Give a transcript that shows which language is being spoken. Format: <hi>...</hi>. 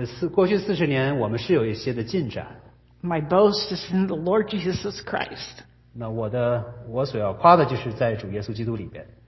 <zh>过去40年我们是有一些的进展。</zh> <en>My boast is in the Lord Jesus Christ.</en> <zh>那我所要夸的就是在主耶稣基督里边。</zh>